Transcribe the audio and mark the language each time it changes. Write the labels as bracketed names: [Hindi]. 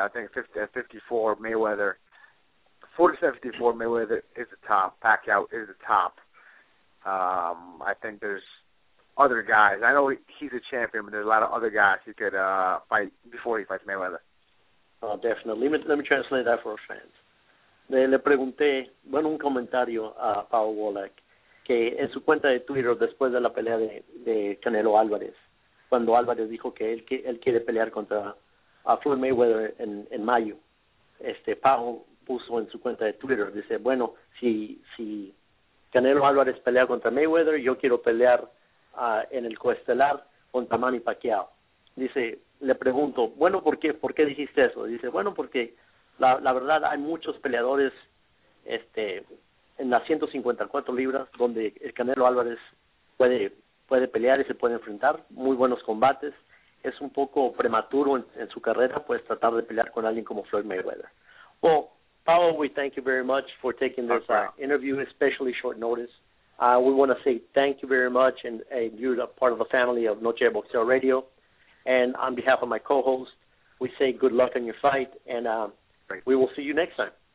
[English] I think at 54 Mayweather is the top. Pacquiao is the top. I think there's other guys. I know he's a champion, but there's a lot of other guys he could fight before he fights Mayweather. Definitely. Let me translate that for our fans. [Spanish] Le pregunté, bueno, un comentario a Paul Wolak, que en su cuenta de Twitter después de la pelea de Canelo Álvarez, cuando Álvarez dijo que él quiere pelear contra Floyd Mayweather en mayo, Paul puso en su cuenta de Twitter, dice, bueno, si Canelo Álvarez pelea contra Mayweather, yo quiero pelear en el Coestelar contra Manny Pacquiao. Dice, le pregunto, bueno, ¿por qué dijiste eso? Dice, bueno, porque la verdad hay muchos peleadores en las 154 libras donde el Canelo Álvarez puede pelear y se puede enfrentar, muy buenos combates. Es un poco prematuro en su carrera, pues, tratar de pelear con alguien como Floyd Mayweather. [English] Well, Paul, we thank you very much for taking this interview, especially short notice. We want to say thank you very much, and you're a part of the family of Noche de Boxeo Radio. And on behalf of my co-host, we say good luck on your fight, and we will see you next time.